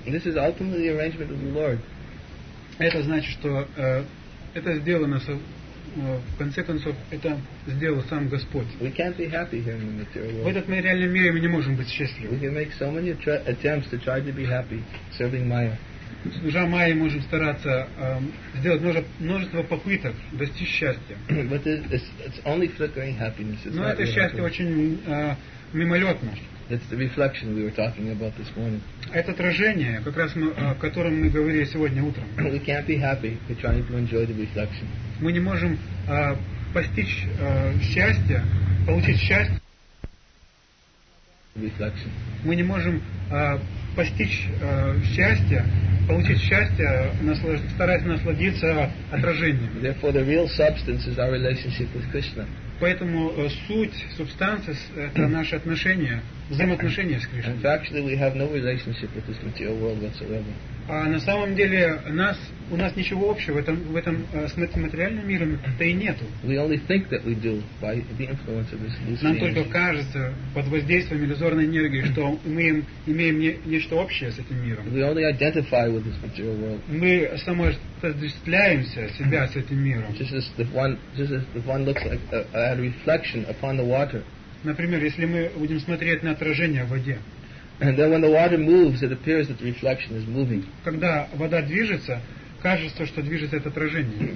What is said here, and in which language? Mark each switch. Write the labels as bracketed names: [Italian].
[English] This is ultimately the arrangement of the Lord. [Russian] Это значит, что это сделано, в конце концов, это сделал сам Господь. [English] We can't be happy here in the material world. [Russian] В этом материальном мире мы не можем быть счастливы. [English] We can make so many attempts to try to be happy serving Maya. [Russian] Служа Майе, можем стараться сделать множество попыток достичь счастья. [English] But it's only flickering happiness. It's [Russian] Но это счастье очень мимолетно. [English] It's the reflection we were talking about this morning. [Russian] Это отражение, как раз мы, о котором мы говорили сегодня утром. [English] We can't be happy by trying to enjoy the reflection. [Russian] Мы не можем постичь счастье, получить счастье. Мы не можем постичь счастья, получить счастье, стараясь насладиться отражением. [English] Therefore, the real substance is our relationship with Krishna. [Russian] Поэтому суть, субстанция, это наши отношения, взаимоотношения с Кришной. [English] And actually, we have no relationship with this material world whatsoever. [Russian] А на самом деле у нас ничего общего в этом с материальным миром, да и нету. [English] We only think that we do by the influence of this [Russian] Нам [English] energy. [Russian] Только кажется под воздействием иллюзорной энергии, что мы имеем нечто общее с этим миром. [English] We only identify with this material world. [Russian] Мы самоотождествляемся себя с этим миром. [English] Just as if one looks like a reflection upon the water. [Russian] Например, если мы будем смотреть на отражение в воде. [English] And then when the water moves, it appears that the reflection is moving. [Russian] Когда вода движется, кажется, что движется это отражение.